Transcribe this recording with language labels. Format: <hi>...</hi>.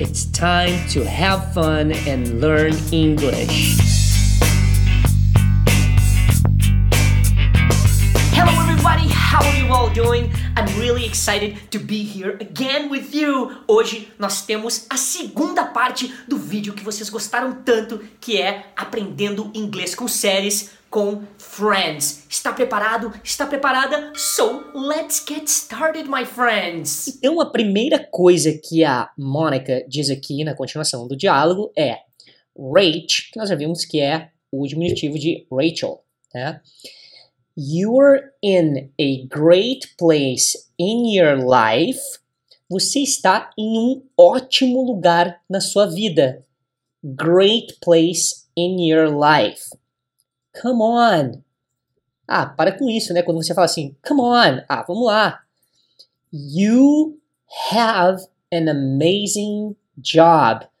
<en>It's time to have fun and learn English. Hello, everybody. How are you all doing? I'm really excited to be here again with you.</en> <pt>Hoje nós temos a segunda parte do vídeo que vocês gostaram tanto, que é aprendendo inglês com séries com Friends. Está preparado? Está preparada?</pt> <en>So, let's get started, my friends!</en> <pt>Então, a primeira coisa que a Monica diz aqui na continuação do diálogo é Rach, que nós já vimos que é o diminutivo de Rachel. Né?</pt> <en>You're in a great place in your life.</en> <pt>Você está em um ótimo lugar na sua vida.</pt> <en>Great place in your life. Come on.</en> <pt>Ah, para com isso, né? Quando você fala assim,</pt> <en>come on.</en> <pt>Ah, vamos lá.</pt> <en>You have an amazing job.</en>